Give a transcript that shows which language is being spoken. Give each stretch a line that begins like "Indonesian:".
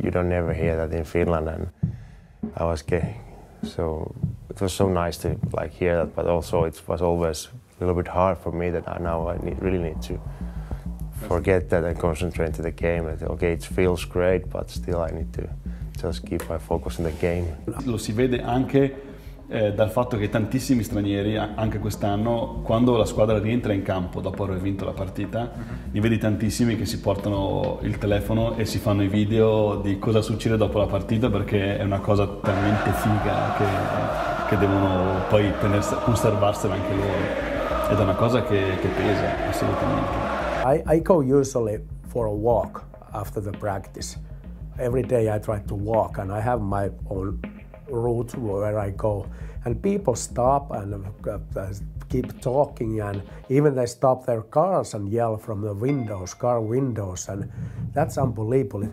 English: you don't ever hear that in Finland. And I was gay. So it was so nice to like hear that. But also it was always a little bit hard for me that I really need to forget that and concentrate to the game. Okay, it feels great, but still I need to just keep my focus in the game.
Italian: Lo si vede anche dal fatto che tantissimi stranieri, anche quest'anno, quando la squadra rientra in campo dopo aver vinto la partita, ne vedi tantissimi che si portano il telefono e si fanno i video di cosa succede dopo la partita, perché è una cosa talmente figa che devono poi conservarsela anche loro. Ed è una cosa che pesa, assolutamente.
English: I go usually for a walk after the practice. Every day I try to walk, and I have my own route where I go. And people stop and keep talking, and even they stop their cars and yell from the windows, car windows, and that's unbelievable.